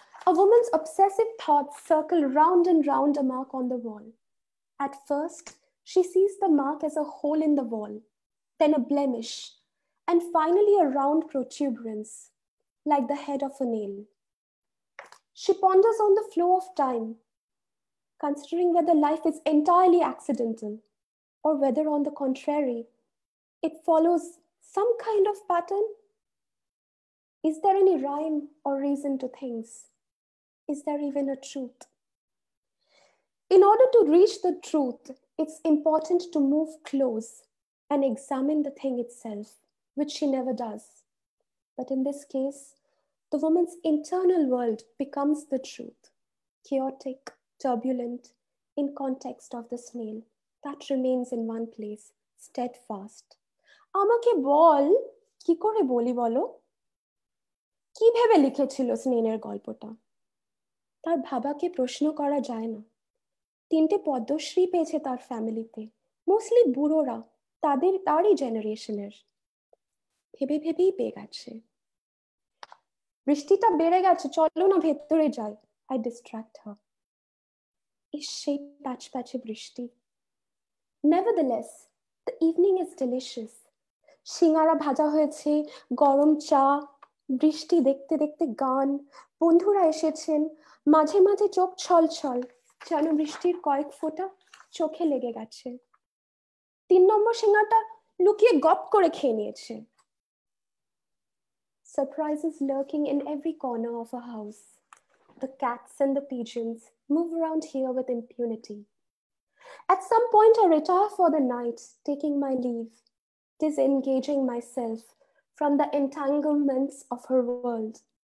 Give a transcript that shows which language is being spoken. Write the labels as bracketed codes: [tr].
[en] A woman's obsessive thoughts circle round and round a mark on the wall. At first she sees the mark as a hole in the wall, then a blemish, and finally a round protuberance like the head of a nail. She ponders on the flow of time, considering whether life is entirely accidental or whether, on the contrary, it follows some kind of pattern. Is there any rhyme or reason to things? Is there even a truth? In order to reach the truth, it's important to move close and examine the thing itself, which she never does. But in this case, the woman's internal world becomes the truth. Chaotic, turbulent, in context of the snail, that remains in one place, steadfast. [bn] আমাকে বল কি করে বলি বলো, কিভাবে লিখেছিল স্নেহের গল্পটা? তার বাবাকে প্রশ্ন করা যায় না। তিনটে পদ্মশ্রী পেয়েছে তার ফ্যামিলিতে, মোস্টলি বুড়োরা, তাদের তারই জেনারেশনের। ভেবে ভেবেই পেয়ে গেছে। বৃষ্টিটা বেড়ে গেছে, চলো না ভেতরে যাই, [en] I distract হ। [bn] ইস, সেই প্যাচ প্যাচে বৃষ্টি। [en] Nevertheless, the evening is delicious. [bn] সিঙ্গারা ভাজা হয়েছে, গরম চা, বৃষ্টি দেখতে দেখতে গান, বন্ধুরা এসেছেন, মাঝে মাঝে চোখ ছল ছল, যেন বৃষ্টির কয়েক ফোঁটা চোখে লেগে গেছে। তিন নম্বর সিঙ্গারটা লুকিয়ে গপ করে খেয়ে নিয়েছে। [en] Surprises lurking in every corner of a house. The cats and the pigeons move around here with impunity. At some point, I retire for the night, taking my leave, disengaging myself from the entanglements of her world.